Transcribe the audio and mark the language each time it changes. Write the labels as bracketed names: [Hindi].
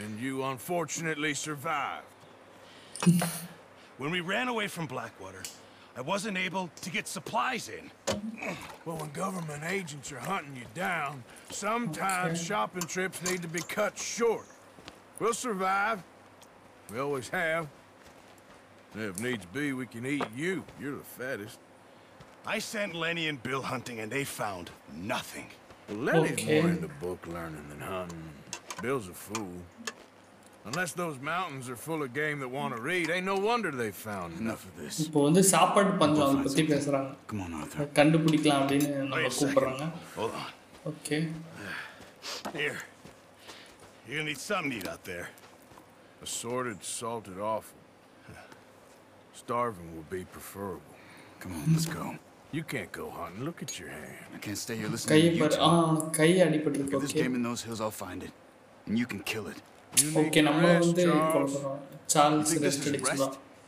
[Tamil] நம்ம நேவியில் இருக்கோம் அப்படின்றது வந்து சொல்கிறோம் [English] When we ran away from Blackwater, I wasn't able to get supplies in. Well, when government agents are hunting you down, sometimes shopping trips need to be cut short. We'll survive. We always have. And if needs be, we can eat you. You're the fattest. I sent Lenny and Bill hunting, and they found nothing. Well, Lenny's more into book learning than hunting. Bill's a fool. Unless those mountains are full of game that want to read, ain't no wonder they found enough of this. [Tamil] இப்போ வந்து சாப்பாடு பஞ்சம் பத்தி பேசுறாங்க. [English] Come on, Arthur. [Tamil] கண்டுபிடிக்கலாம் அப்படினு நம்ம கூப்பிடுறாங்க. [English] Hold on. Okay. Here. You need something to eat out there. Assorted, salted offal. Starving would be preferable. Come on, let's go. You can't go hunting. Look at your hand. I can't stay here listening to you. [Tamil] கை அடிபட்டு இருக்கு. [English] This game in those hills, I'll find it. And you can kill it. [Tamil] Okay, நம்ம வந்து Charles rest எடுக்கலாம்.